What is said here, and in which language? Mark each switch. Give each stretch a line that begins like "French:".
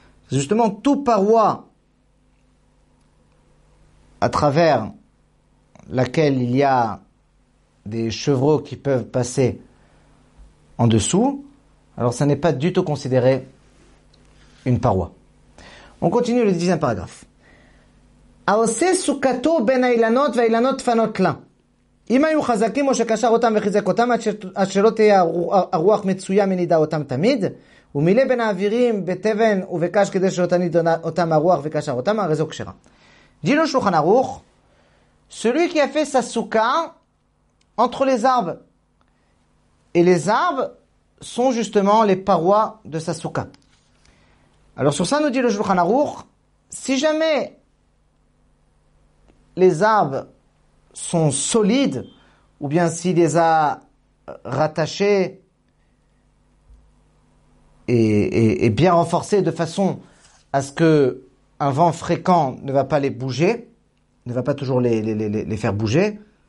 French: Justement, tout paroi à travers laquelle il y a des chevreaux qui peuvent passer en dessous, alors ça n'est pas du tout considéré une paroi. On continue le 10e paragraphe.
Hebrew: העושה סוכתו בין האילנות והאילנות תפנות לה. אם היו חזקים או שקשר אותם וחיזק אותם, עד שלא תהיה הרוח מצויה מנידה אותם תמיד, ומילא בין האווירים בטבן ובקש כדי שלא תניד אותם הרוח וקשר אותם, הרי זו קשרה. דינו שולחן ארוך,
French: celui qui a fait sa souka entre les arbres. Et les arbres sont justement les parois de sa souka. Alors sur ça, nous dit le Shulchan Aruch, si jamais les arbres sont solides, ou bien s'il les a rattachés et bien renforcés de façon à ce qu'un vent fréquent ne va pas les bouger, ne va pas toujours les faire bouger.